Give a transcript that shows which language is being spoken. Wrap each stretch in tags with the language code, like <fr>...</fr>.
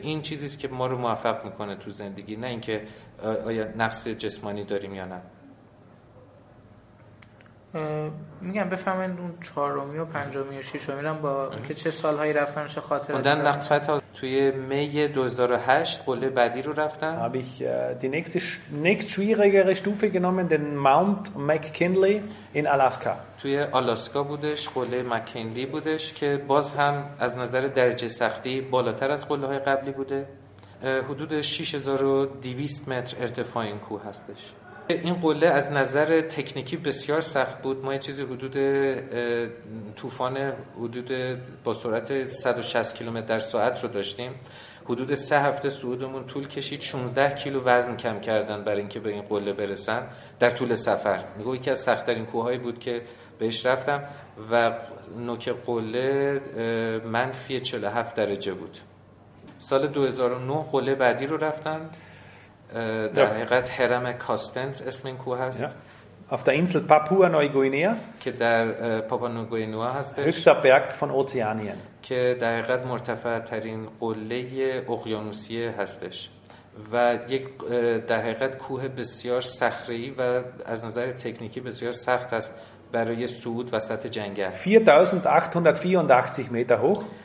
<fa>این چیزیست که ما رو موفق میکنه تو زندگی، نه اینکه آیا نقص جسمانی داریم یا نه. میگم بفهمین اون 4 و 5 و 6 با که چه سالهایی رفتن چه خاطره بودن. نقصت ها توی می 2008 قله بعدی رو رفتن.</fa> <de>Habe ich die nächste schwierigere Stufe genommen, den Mount McKinley in Alaska.</de> <fa>توی آلاسکا بودش، قله مک‌کینلی بودش که باز هم از نظر درجه سختی بالاتر از قله های قبلی بوده. حدود 6200 متر ارتفاع این کوه هستش. این قله از نظر تکنیکی بسیار سخت بود. ما یه چیزی حدود طوفان حدود با سرعت 160 کیلومتر در ساعت رو داشتیم. حدود 3 هفته صعودمون طول کشید. 16 کیلو وزن کم کردن برای اینکه به این قله برسن در طول سفر. میگه یکی از سخت‌ترین کوههایی بود که بهش رفتم و نوک قله -47 درجه بود. سال 2009 قله بعدی رو رفتن. در حقیقت هرم کاستنز اسم این کوه هست.</fa> <de>Auf der Insel Papua Neuguinea,</de> <fa>که در پاپا نوگوینوا هست.</fa> <de>Höchster Berg von Ozeanien,</de> <fa>که در حقیقت مرتفع ترین قله اقیانوسیه هستش. و یک در حقیقت کوه بسیار صخره‌ای و از نظر تکنیکی بسیار سخت است برای صعود وسط جنگل. 4884 متر</fa> <de>hoch.</de>